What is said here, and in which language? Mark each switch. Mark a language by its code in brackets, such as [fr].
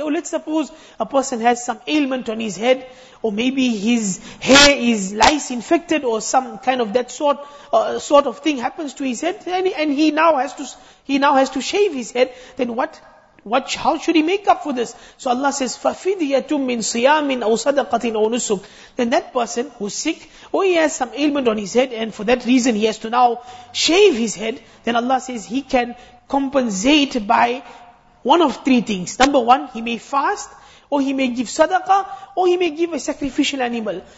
[en] Oh, let's suppose a person has some ailment on his head, or maybe his hair is lice infected, or some kind of that sort of thing happens to his head, and he now has to shave his head. Then what? How should he make up for this? So Allah says, [ar] فَفِدْيَةٌ مِّنْ صِيَامٍ أَوْ صَدَقَةٍ أَوْ نُسُكٍ. [en] Then that person who's sick, or he has some ailment on his head, and for that reason he has to now shave his head, then Allah says he can compensate by one of three things. Number one, he may fast, or he may give sadaqah, or he may give a sacrificial animal.